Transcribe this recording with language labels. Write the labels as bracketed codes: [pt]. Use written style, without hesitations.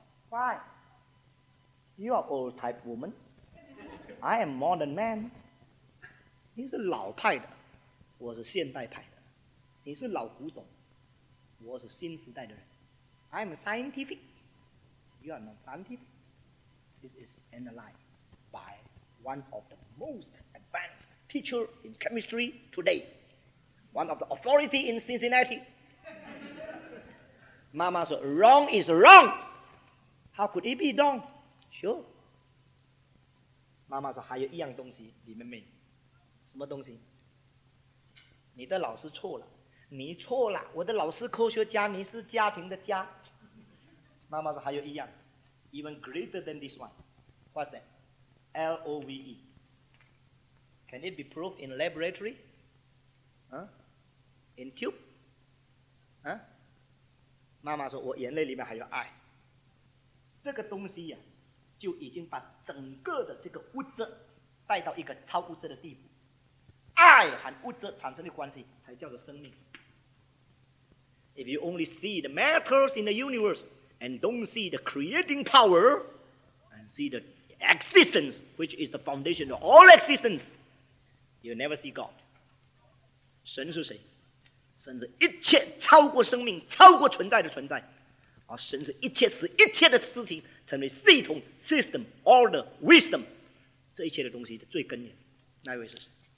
[en] Why? You are old type woman. I am modern man. [zh] 你是老派的，我是现代派的。你是老古董，我是新时代的人。 [en] I am scientific. You are not scientific. This is analyzed by one of the most advanced teacher in chemistry today. One of the authority in Cincinnati. Mama said, wrong is wrong. How could it be wrong? Sure. Mama said, [zh] 还有一样东西你们没。什么东西？你的老师错了。你错了，我的老师科学家，你是家庭的家。妈妈说还有一样 [en] ，even greater than this one， what's that？ L O V E， can it be proved in laboratory？啊、huh? ，in tube？ [zh] 啊、huh? ，妈妈说我眼泪里面还有爱。这个东西呀、啊，就已经把整个的这个物质带到一个超物质的地步，爱和物质产生的关系才叫做生命。 [en] If you only see the matters in the universe and don't see the creating power and see the existence, which is the foundation of all existence, you'll never see God. [zh] 神是谁？神是一切超过生命、超过存在的存在。而神是一切使一切的事情成为系统、 [en] system、order、wisdom， [zh] 这一切的东西的最根源。那位是谁